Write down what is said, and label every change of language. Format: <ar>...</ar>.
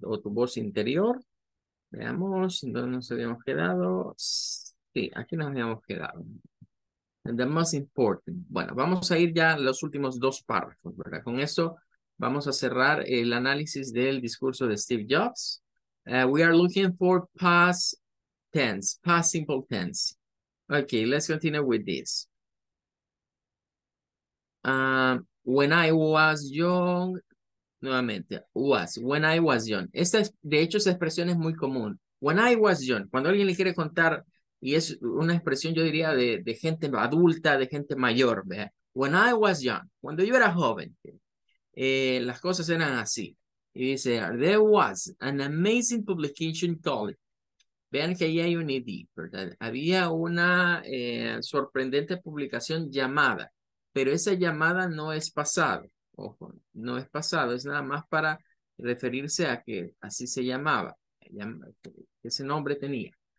<es>O tu voz interior. Veamos, ¿dónde nos habíamos quedado? Sí, aquí nos habíamos quedado.</es> <en>And the most important.</en> <es>Bueno, vamos a ir ya a los últimos dos párrafos, ¿verdad? Con esto vamos a cerrar el análisis del discurso de Steve Jobs.</es> <en>We are looking for past tense, past simple tense. Okay, let's continue with this. When I was young, nuevamente, was, when I was young.</en> <es>Esta es, de hecho, esa expresión es muy común.</es> <en>When I was young,</en> <es>cuando alguien le quiere contar, y es una expresión, yo diría, de gente adulta, de gente mayor, ¿verdad?</es> <en>When I was young,</en> <es>cuando yo era joven, las cosas eran así. Y dice,</es> <en>there was an amazing publication called.</en> <es>Vean que ahí hay un ID, ¿verdad? Había una sorprendente publicación llamada. Pero esa llamada no es pasado, ojo, no es pasado, es nada más para referirse a que así se llamaba, ese nombre tenía.</es>